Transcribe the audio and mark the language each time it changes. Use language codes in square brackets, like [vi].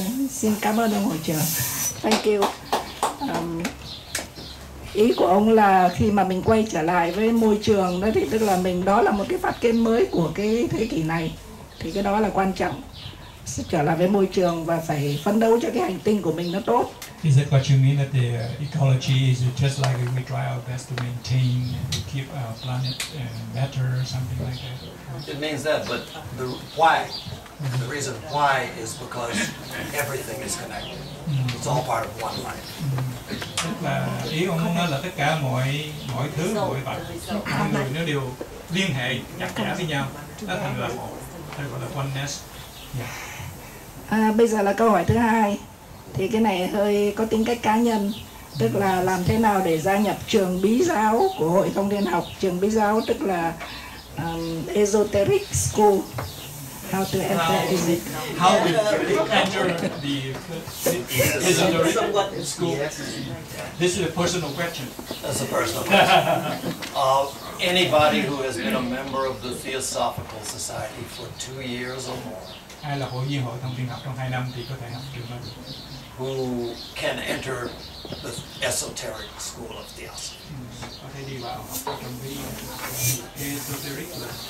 [vi] Xin cảm ơn ông hội trưởng. [en] Thank you. [vi] ý của ông là khi mà mình quay trở lại với môi trường đó thì tức là mình đó là một cái phát kiến mới của cái thế kỷ này, thì cái đó là quan trọng, sẽ trở lại với môi trường và phải phấn đấu cho cái hành tinh của mình nó tốt. [en] Is that what you mean that the ecology is just like we try our best to maintain and keep our planet better or something like that? It means that, but the why? Mm-hmm. The reason why is because everything is connected. Mm-hmm. It's all part of one life. Mm-hmm. [vi] Tức là ý ông nói là tất cả mọi thứ, mọi vật, mọi người nó đều liên hệ chặt chẽ với nhau, nó thành là một, hay gọi là oneness. [en] Yeah. [vi] Bây giờ là câu hỏi thứ hai. Thì cái này hơi có tính cách cá nhân, tức là làm thế nào để gia nhập trường bí giáo của Hội Thông Thiên Học. Trường bí giáo tức là Esoteric School. [en] How to enter how, is it? How to enter the Esoteric School? This is a personal question. That's a personal question. Anybody who has been a member of the Theosophical Society for 2 years or more, [vi] ai là hội viên Hội Thông Thiên Học trong 2 năm thì có thể học trường đó. [en] Who can enter the esoteric school of Theosophy? [vi] Có thể đi vào học trong cái esoteric là